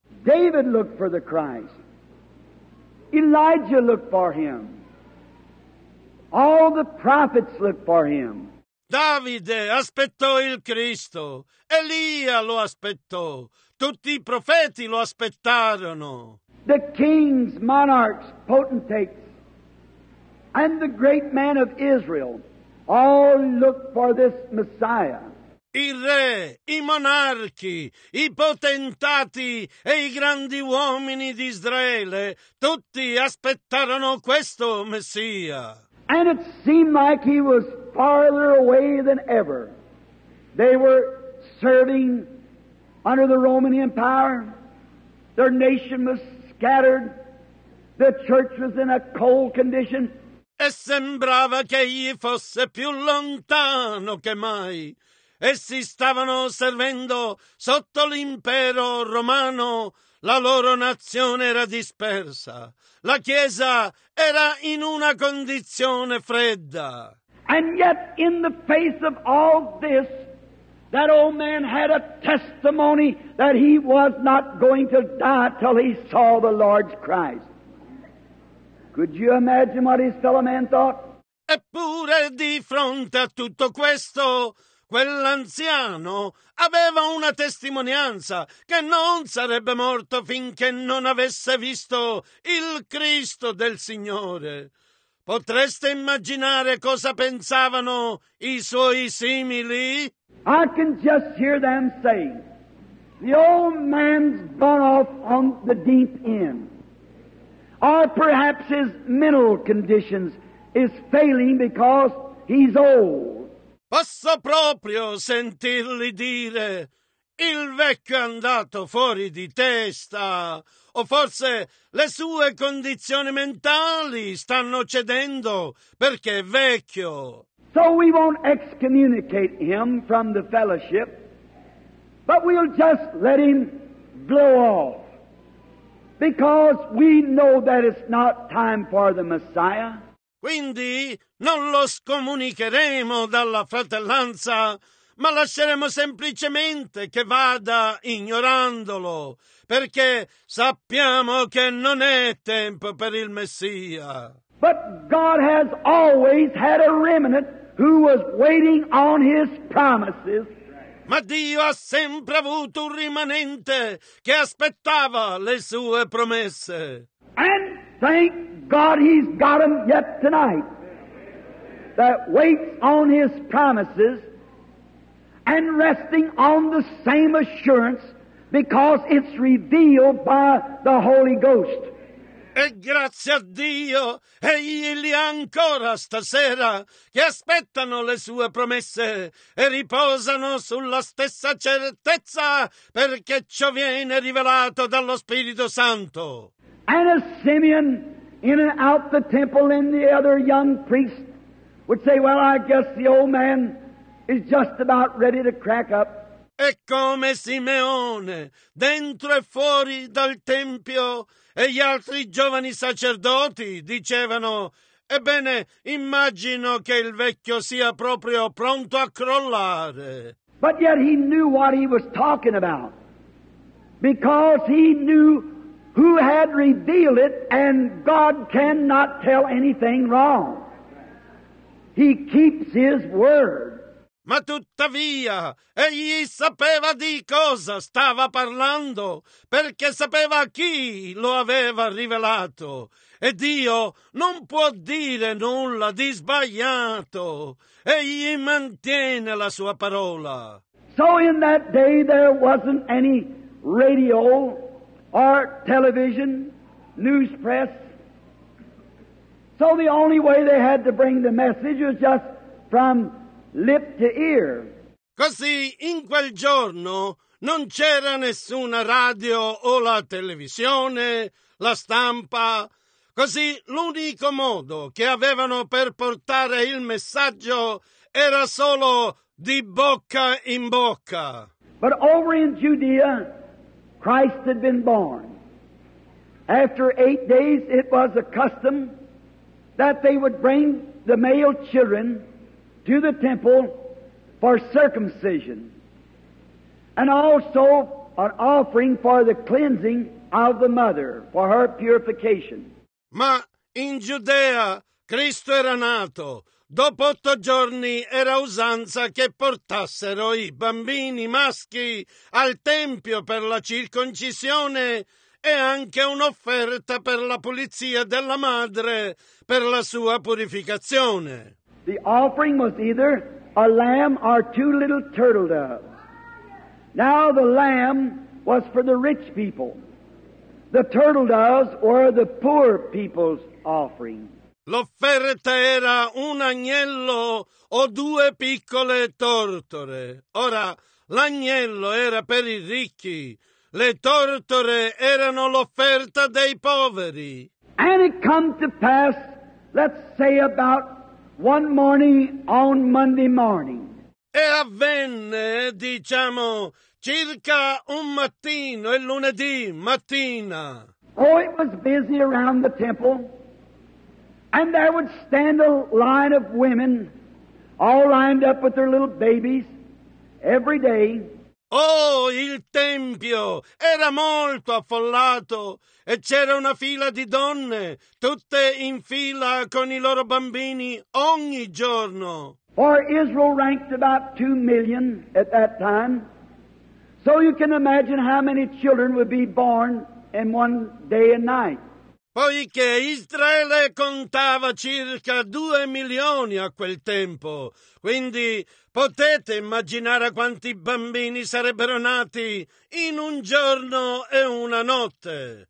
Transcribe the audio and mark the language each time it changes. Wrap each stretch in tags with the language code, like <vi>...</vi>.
<en>David looked for the Christ. Elijah looked for him. All the prophets looked for him.</en> <it>Davide aspettò il Cristo. Elia lo aspettò. Tutti i profeti lo aspettarono.</it> <en>The kings, monarchs, potentates, and the great men of Israel all looked for this Messiah.</en> <it>I re, i monarchi, i potentati e i grandi uomini di Israele, tutti aspettarono questo Messia.</it> <en>And it seemed like he was farther away than ever. They were serving under the Roman Empire. Their nation was scattered. The church was in a cold condition.</en> <it>E sembrava che egli fosse più lontano che mai. Essi stavano servendo sotto l'impero romano. La loro nazione era dispersa. La Chiesa era in una condizione fredda.</it> <en>And yet in the face of all this, that old man had a testimony that he was not going to die till he saw the Lord's Christ. Could you imagine what his fellow man thought?</en> <it>Eppure di fronte a tutto questo, quell'anziano aveva una testimonianza che non sarebbe morto finché non avesse visto il Cristo del Signore. Potreste immaginare cosa pensavano i suoi simili?</it> <en>I can just hear them say, the old man's gone off on the deep end. Or perhaps his mental conditions is failing because he's old.</en> <it>Posso proprio sentirli dire, il vecchio è andato fuori di testa, o forse le sue condizioni mentali stanno cedendo perché è vecchio.</it> <en>So we won't excommunicate him from the fellowship, but we'll just let him blow off, because we know that it's not time for the Messiah.</en> <it>Quindi non lo scomunicheremo dalla fratellanza, ma lasceremo semplicemente che vada ignorandolo, perché sappiamo che non è tempo per il Messia.</it> <en>But God has always had a remnant who was waiting on his promises.</en> <it>Ma Dio ha sempre avuto un rimanente che aspettava le sue promesse.</it> <en>And thank God he's got them yet tonight, that waits on his promises and resting on the same assurance because it's revealed by the Holy Ghost.</en> <it>E grazie a Dio, egli li ha ancora stasera che aspettano le sue promesse e riposano sulla stessa certezza perché ciò viene rivelato dallo Spirito Santo.</it> <en>And as Simeon in and out the temple and the other young priest would say, well, I guess the old man is just about ready to crack up.</en> <it>E come Simeone, dentro e fuori dal tempio, e gli altri giovani sacerdoti dicevano, ebbene, immagino che il vecchio sia proprio pronto a crollare.</it> <en>But yet he knew what he was talking about, because he knew who had revealed it, and God cannot tell anything wrong. He keeps his word.</en> <it>Ma tuttavia, egli sapeva di cosa stava parlando, perché sapeva chi lo aveva rivelato. E Dio non può dire nulla di sbagliato. Egli mantiene la sua parola.</it> <en>So in that day there wasn't any radio or television, news press. So the only way they had to bring the message was just from lip to ear.</en> <it>Così in quel giorno non c'era nessuna radio o la televisione, la stampa. Così l'unico modo che avevano per portare il messaggio era solo di bocca in bocca.</it> <en>But over in Judea, Christ had been born. After 8 days, it was a custom that they would bring the male children to the temple for circumcision and also an offering for the cleansing of the mother, for her purification.</en> <it>Ma in Giudea Cristo era nato. Dopo 8 giorni era usanza che portassero i bambini maschi al tempio per la circoncisione e anche un'offerta per la pulizia della madre per la sua purificazione.</it> <en>The offering was either a lamb or 2 little turtle doves. Now the lamb was for the rich people. The turtle doves were the poor people's offering.</en> <it>L'offerta era un agnello o due piccole tortore. Ora, l'agnello era per i ricchi, le tortore erano l'offerta dei poveri.</it> <en>And it come to pass, let's say about one morning on Monday morning.</en> <it>E avvenne, diciamo, circa un mattino, il lunedì mattina.</it> <en>Oh, it was busy around the temple. And there would stand a line of women, all lined up with their little babies, every day.</en> <it>Oh, il tempio era molto affollato, e c'era una fila di donne, tutte in fila con i loro bambini ogni giorno.</it> <en>For Israel ranked about 2 million at that time. So you can imagine how many children would be born in one day and night.</en> <it>Poiché Israele contava circa 2 milioni a quel tempo, quindi potete immaginare quanti bambini sarebbero nati in un giorno e una notte.</it>